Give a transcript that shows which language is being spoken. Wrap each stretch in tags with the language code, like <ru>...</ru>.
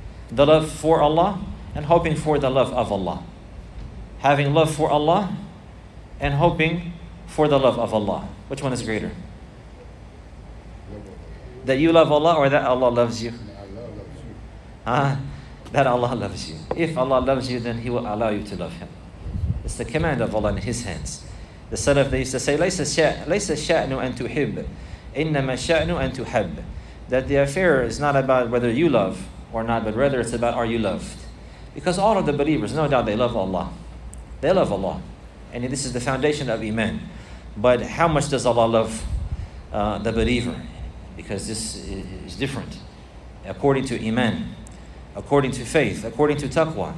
<en>The love for Allah, and hoping for the love of Allah. Having love for Allah, and hoping for the love of Allah. Which one is greater? That you love Allah, or that Allah loves you? That Allah loves you. If Allah loves you, then He will allow you to love Him. It's the command of Allah in His hands.</en> <ar>The Salaf, they used to say, لَيْسَ شَأْنُ أَن تُحِبْ إِنَّمَا شَأْنُ أَن تُحَبْ.</ar> <en>That the affair is not about whether you love or not, but rather it's about are you loved. Because all of the believers, no doubt, they love Allah. They love Allah. And this is the foundation of Iman. But how much does Allah love the believer? Because this is different. According to Iman, according to faith, according to taqwa.</en>